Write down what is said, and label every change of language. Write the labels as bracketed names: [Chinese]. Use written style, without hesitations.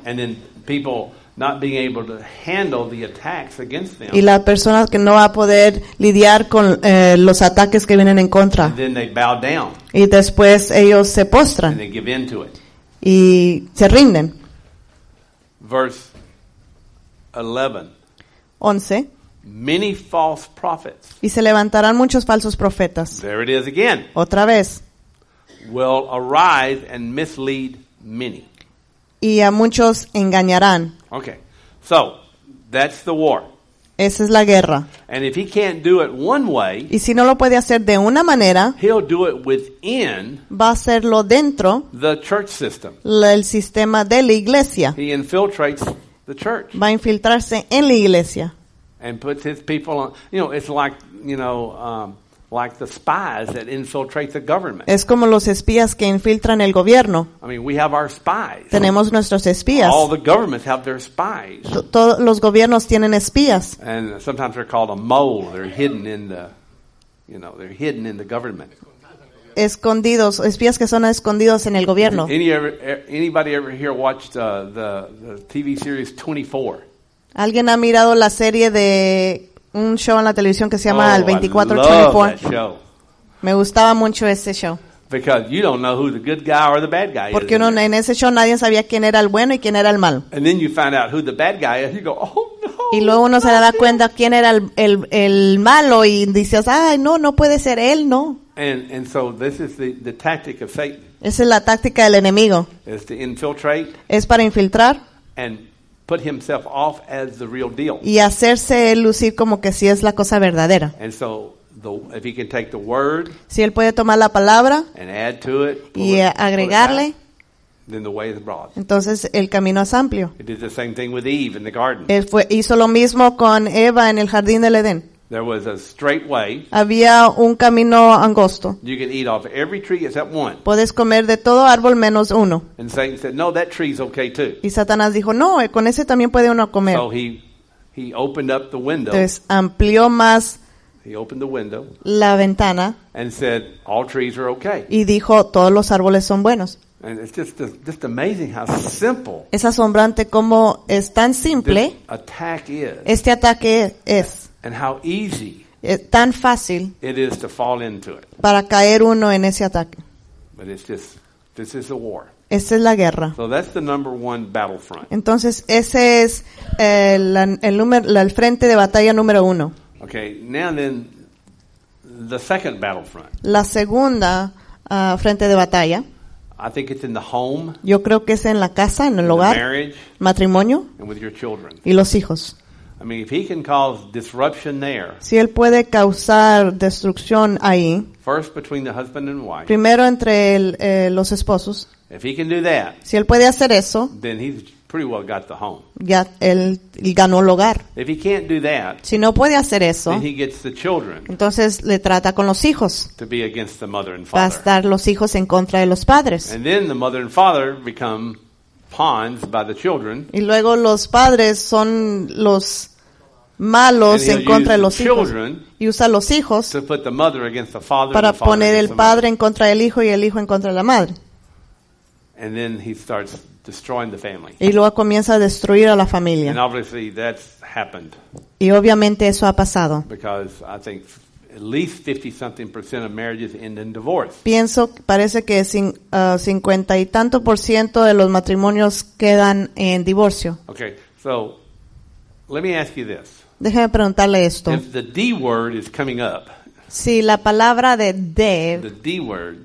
[English] And then people not being able to handle the attacks against them. [Spanish] Y la persona que no va a poder lidiar con los ataques que vienen en contra. [English] And then they bow down. [Spanish] Y después ellos se postran. [English] And they give in to it. [Spanish] Y se rinden. [English] Verse 11. Many false prophets. [Spanish] Y se levantarán muchos falsos profetas. [English] There it is again. [Spanish] Otra vez. [English] Will arise and mislead many. [Spanish] Y a muchos engañarán. [English] Okay. So, that's the war. [Spanish] Esa es la guerra. [English] And if he can't do it one way. [Spanish] Y si no lo puede hacer de una manera. [English] He'll do it within. [Spanish] Va a hacerlo dentro. [English] The church system. [Spanish] El sistema de la iglesia. [English] He infiltrates the church. [Spanish] Va a infiltrarse en la iglesia. [English] And puts his people on, you know, it's like, you know, like the spies that infiltrate the government. [Spanish] Es como los espías que infiltran el gobierno. [English] I mean, we have our spies. [Spanish] Tenemos nuestros espías. [English] All the governments have their spies. [Spanish] Todos los gobiernos tienen espías. [English] And sometimes they're called a mole. They're hidden in the, you know, they're hidden in the government. [Spanish] Escondidos, espías que son escondidos en el gobierno. [English] Anybody ever here watched the TV series 24? [Spanish] ¿Alguien ha mirado la serie de un show en la televisión que se llama oh, El 24/24? Me gustaba mucho ese show. [English] Because you don't know who the good guy or the bad guy is. [Spanish] Porque en ese show nadie sabía quién era el bueno y quién era el malo. [English] And then you find out who the bad guy is, you go, "Oh no." [Spanish] Y luego uno se da cuenta quién era el malo y dices, "Ay, no puede ser él, no." [English] And so this is the tactic of Satan. [Spanish] Esa es la táctica del enemigo. [English] Is to infiltrate. [Spanish] Es para infiltrar. [English] And put himself off as the real deal. [Spanish] Y hacerse lucir como que sí es la cosa verdadera. [English] And so, if he can take the word. [Spanish] Si él puede tomar la palabra. [English] And add to it. [Spanish] Y agregarle. [English] Then the way is broad. [Spanish] Entonces el camino es amplio. [English] He did the same thing with Eve in the garden. [Spanish] Hizo lo mismo con Eva en el jardín del Edén. [English] There was a straight way. [Spanish] Había un camino angosto. [English] You can eat off every tree except one. [Spanish] Puedes comer de todo árbol menos uno. [English] And Satan said, "No, that tree's okay too." [Spanish] Y Satanás dijo, "No, con ese también puede uno comer." [English] So he opened up the window. [Spanish] Entonces amplió más. [English] He opened the window. [Spanish] La ventana. [English] And said, "All trees are okay." [Spanish] Y dijo, "Todos los árboles son buenos." [English] And it's just amazing how simple. [Spanish] Es asombrante cómo es tan simple. Este ataque es. [English] And how easy [Spanish] tan fácil [English] it is to fall into it. [Spanish] Para caer uno en ese ataque. [English] But it's just, this is a war. [Spanish] Esta es la guerra. [English] So that's the number one battlefront. [Spanish] Entonces ese es el frente de batalla número uno. [English] Okay, now then, the second battlefront. [Spanish] La segunda frente de batalla. [English] I think it's in the home. [Spanish] Yo creo que es en la casa, en el hogar. [English] Marriage. [Spanish] Matrimonio. [English] And with your children. [Spanish] Y los hijos. [English] I mean, if he can cause disruption there. [Spanish] Si él puede causar destrucción ahí. [English] First between the husband and wife. [Spanish] Primero entre los esposos. [English] If he can do that. [Spanish] Si él puede hacer eso. [English] Then he's pretty well got the home. [Spanish] Ya él ganó el hogar. [English] If he can't do that, [Spanish] si no puede hacer eso, [English] then he gets the children. [Spanish] Entonces le trata con los hijos. [English] To be against the mother and father. [Spanish] Va a estar los hijos en contra de los padres. [English] And then the mother and father become pawns by the children. [Spanish] Y luego los padres son los malos en contra de los hijos. Y usa los hijos [English] to put the mother against the father, [Spanish] para [English] the father [Spanish] poner el padre [English] mother. [Spanish] En contra del hijo y el hijo en contra de la madre. [English] And then he starts destroying the family. [Spanish] Y luego comienza a destruir a la familia. [English] And obviously that's happened. [Spanish] Y obviamente eso ha pasado. [English] Because I think at least 50-something% of marriages end in divorce. [Spanish] Pienso, parece que [English] 50-something% [Spanish] de los matrimonios quedan en divorcio. [English] Okay, so let me ask you this. [Spanish] Déjame preguntarle esto. [English] If the D word is coming up. [Spanish] Si la palabra de de, [English] the D word,